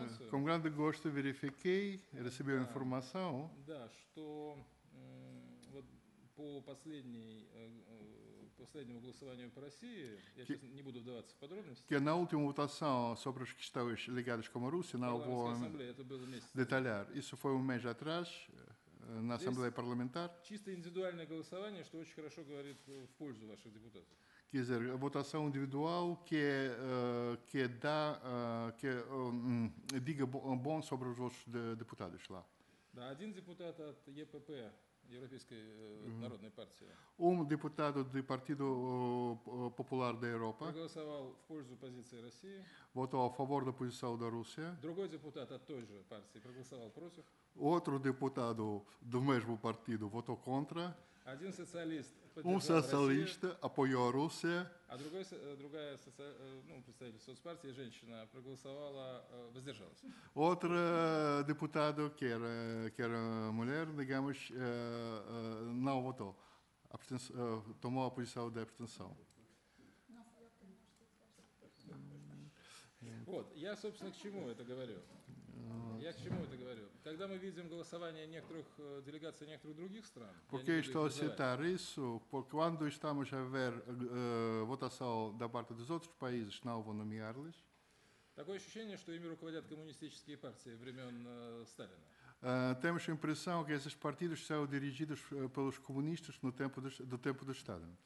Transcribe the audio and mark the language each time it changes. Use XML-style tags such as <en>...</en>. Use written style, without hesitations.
<pt>Com grande gosto verifiquei, recebi a informação.</pt> <ru>Да, что вот по последнему голосованию по России, я сейчас не буду вдаваться в подробности.</ru> <pt>Que на última votação sobre as questões ligadas com a Rússia, não vou detalhar. Isso foi mês atrás, na Assembleia Parlamentar.</pt> <ru>Чисто индивидуальное голосование, что очень хорошо говорит в пользу ваших депутатов.</ru> <pt>Quer dizer, a votação individual diga bom sobre os outros deputados lá.</pt> <ru>Да, один депутат от ЕПП, Европейской народной партии.</ru> <pt>Депутado do Partido Popular da Europa.</pt> <ru>Проголосовал в пользу позиции России.</ru> <pt>Votou a favor da posição da Rússia.</pt> <ru>Другой депутат от той же партии проголосовал против.</ru> <pt>Outro deputado do mesmo partido votou contra.</pt> <ru>Один социалист.</ru> <pt>Socialista apoiou a Rússia.</pt> <ru>А другая представитель соцпартии, женщина, проголосовала, воздержалась.</ru> <pt>Outra deputada, que era mulher, digamos, não votou. Tomou a posição de abstenção.</pt> <ru>Вот, я, собственно, к чему это говорю? Я к чему это говорю? Когда мы видим голосование некоторых делегаций некоторых других стран,</ru> <pt>porque estou a citar isso, porque quando estamos a ver votação da parte dos outros países, não vou nomear-lhes.</pt> <ru>Такое ощущение, что ими руководят коммунистические партии времен Сталина.</ru> <pt>Temos a impressão que esses partidos são dirigidos pelos comunistas no tempo do tempo do Estado.</pt>